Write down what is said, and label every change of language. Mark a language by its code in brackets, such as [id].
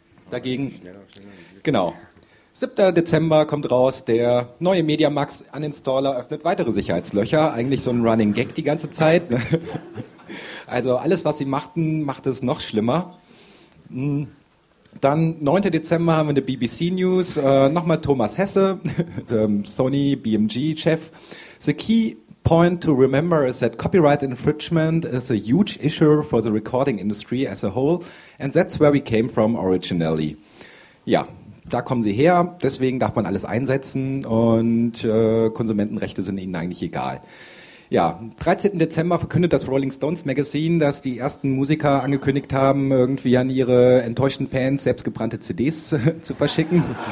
[de] Dagegen, genau. 7. Dezember kommt raus, der neue MediaMax Uninstaller öffnet weitere Sicherheitslöcher. Eigentlich so ein Running Gag die ganze Zeit. Also alles, was sie machten, macht es noch schlimmer. Dann 9. Dezember haben wir eine BBC News. Nochmal Thomas Hesse, Sony BMG-Chef. [en] The key point to remember is that copyright infringement is a huge issue for the recording industry as a whole. And that's where we came from originally. [de] Ja. Da kommen sie her, deswegen darf man alles einsetzen und Konsumentenrechte sind ihnen eigentlich egal. Ja, 13. Dezember verkündet das Rolling Stones Magazine, dass die ersten Musiker angekündigt haben, irgendwie an ihre enttäuschten Fans selbstgebrannte CDs zu verschicken.